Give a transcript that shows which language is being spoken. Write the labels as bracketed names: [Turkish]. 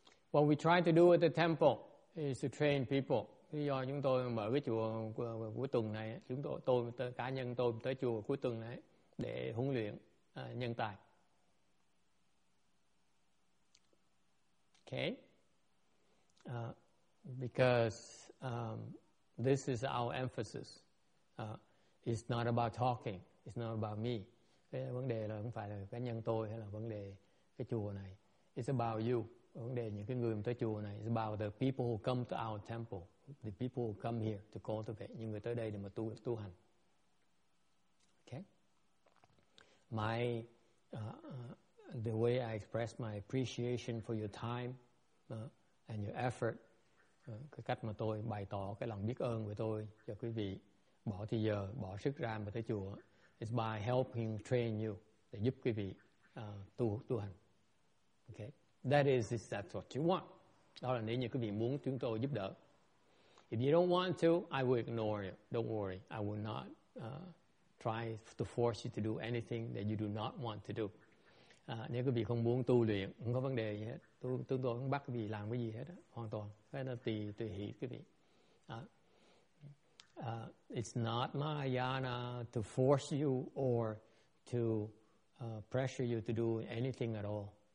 [English] What we try to do at the temple is to train people. [Vietnamese] Do chúng tôi mở cái chùa cuối tuần này, chúng tôi cá nhân tôi tới chùa cuối tuần này để huấn luyện nhân tài. [English] Okay. Because this is our emphasis. It's not about talking. It's not about me. [Vietnamese] Cái vấn đề là không phải là cá nhân tôi hay là vấn đề cái chùa này. [English] It's about you. [Vietnamese] Vấn đề những cái người tới chùa này [English] is about the people who come to our temple, the people who come here to cultivate, [Vietnamese] những người tới đây để mà tu hành. [English] Okay. The way I express my appreciation for your time and your effort, [Vietnamese] cái cách mà tôi bày tỏ cái lòng biết ơn của tôi cho quý vị bỏ thời giờ, bỏ sức ra mà tới chùa [English] is by helping train you, [Vietnamese] để giúp quý vị tu hành. Okay. [English] That is that's what you want. [Vietnamese] Đó là nếu như quý vị muốn chúng tôi giúp đỡ. [English] If you don't want to, I will ignore you. Don't worry. I will not try to force you to do anything that you do not want to do. [Vietnamese] Nếu quý vị không muốn tu luyện, không có vấn đề gì hết. Chúng tôi không bắt quý vị làm cái gì hết. Hoàn toàn. Thế là tùy hỷ quý vị. [English] It's not Mahayana to force you or to pressure you to do anything at all.